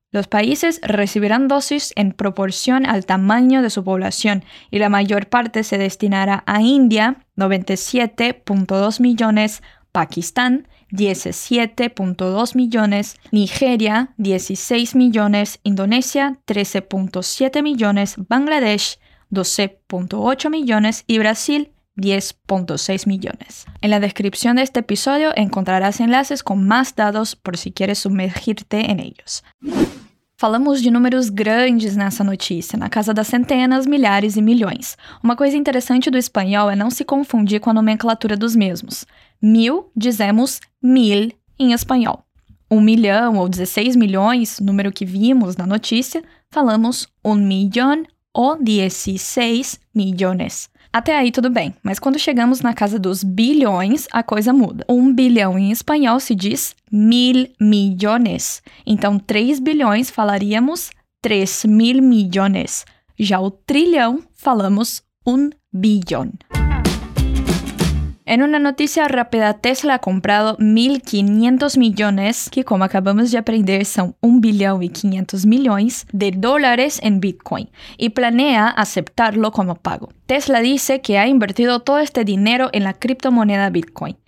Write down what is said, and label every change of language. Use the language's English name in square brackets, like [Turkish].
[Spanish] Los países recibirán dosis en proporción al tamaño de su población y la mayor parte se destinará a India, 97.2 millones, Pakistán, 17.2 millones, Nigeria, 16 millones, Indonesia, 13.7 millones, Bangladesh, 12.8 millones y Brasil, 10.6 millones. En la descripción de este episodio encontrarás enlaces con más datos por si quieres sumergirte en ellos. [Portuguese] Falamos de números grandes nessa notícia, na casa das centenas, milhares e milhões. Uma coisa interessante do espanhol é não se confundir com a nomenclatura dos mesmos. Mil, dizemos mil em espanhol. Um milhão ou 16 milhões, número que vimos na notícia, falamos um milhão ou 16 milhões. Até aí tudo bem, mas quando chegamos na casa dos bilhões, a coisa muda. Um bilhão em espanhol se diz mil milhões. Então, 3 bilhões falaríamos 3 mil milhões. Já o trilhão falamos um bilhão. [Spanish] En una noticia rápida, Tesla ha comprado 1.500 millones, que como acabamos de aprender son 1 billón y 500 millones de dólares en Bitcoin, y planea aceptarlo como pago. Tesla dice que ha invertido todo este dinero en la criptomoneda Bitcoin.